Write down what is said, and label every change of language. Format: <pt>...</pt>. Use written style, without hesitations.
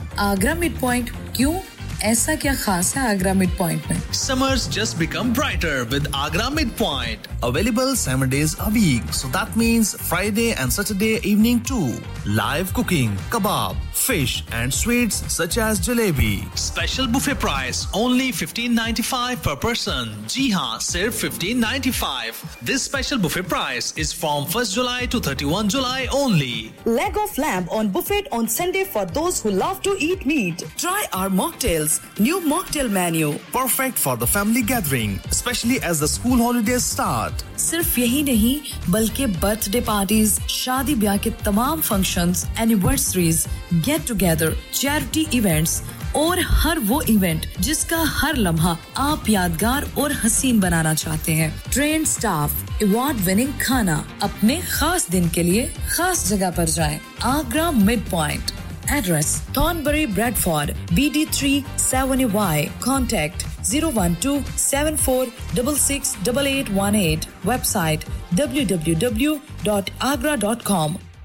<hi>Agra mid point क्यों ऐसा क्या खास है आगरा मिड पॉइंट में</hi> <en>summers just become brighter with Agra mid point available 7 days a week so that means Friday and Saturday evening to live cooking kebab fish and sweets such as jalebi special buffet price only 1595 per person</en> <hi>ji ha sirf 1595</hi> <en>this special buffet price is from 1st july to 31 july only leg of lamb on buffet on sunday for those who love to eat meat try our mocktails new mocktail menu perfect for the family gathering especially as the school holidays start</en> <hi>sirf yahi nahi balki birthday parties shaadi byah ke tamam functions anniversaries Get together, charity events, और हर वो event जिसका हर लम्हा आप यादगार और हसीन बनाना चाहते हैं</hi> <en>train staff award winning</en> <hi>खाना अपने खास दिन के लिए खास जगह पर जाएं Agra mid point address थॉर्नबरी Bradford BD37Y contact 01274668818 website www.agra.com</hi>